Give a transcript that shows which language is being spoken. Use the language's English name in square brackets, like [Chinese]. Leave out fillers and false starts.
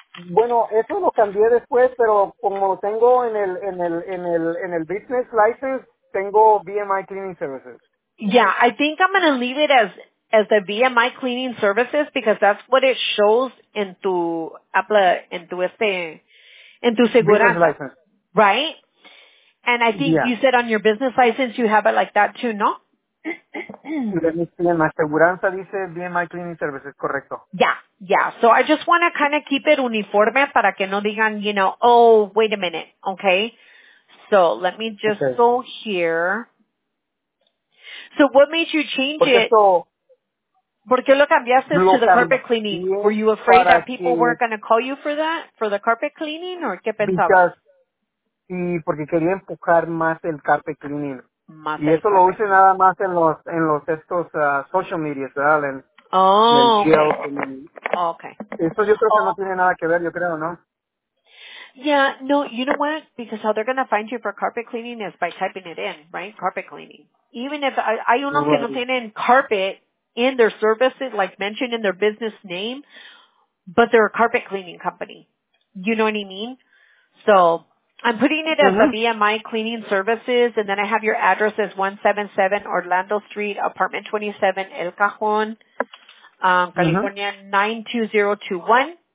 [Spanish] Bueno, eso lo cambié después, pero como lo tengo en el business license, tengo VMI cleaning services. [English] Yeah, I think I'm going to leave it as the VMI cleaning services because that's what it shows en tu seguridad. Business license. Right? And I think you said on your business license you have it like that too, ¿no? [Spanish] La seguranza dice VMI cleaning services, correcto. [English] Yeah. So I just want to kind of keep it uniforme para que no digan, you know, oh, wait a minute, okay? So let me just go here. So what made you change [Spanish] porque [English] it? ¿Por qué lo cambiaste to the carpet cleaning? Were you afraid that people weren't going to call you for that, for the carpet cleaning, or qué pensabas? [Spanish] Y porque quería empujar más el carpet cleaning. Y eso lo use nada más en los social media, ¿verdad? Eso yo creo que no tiene nada que ver, yo creo, ¿no? [English] Yeah, no, you know what? Because how they're going to find you for carpet cleaning is by typing it in, right? Carpet cleaning. Even if hay unos que no tienen carpet in their services, like mentioned in their business name, but they're a carpet cleaning company. You know what I mean? So I'm putting it as a VMI cleaning services, and then I have your address as 177 Orlando Street, apartment 27, El Cajon, California, 92021.